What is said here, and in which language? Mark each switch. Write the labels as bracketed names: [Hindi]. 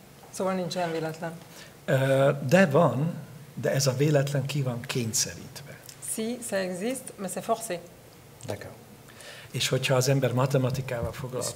[Hungarian] Szóval nincsen véletlen. De van, de ez a véletlen ki van kényszerítve. [French] Si, ça existe, mais c'est forcé. D'accord. [Hungarian] És hogyha az ember matematikával foglalkozik...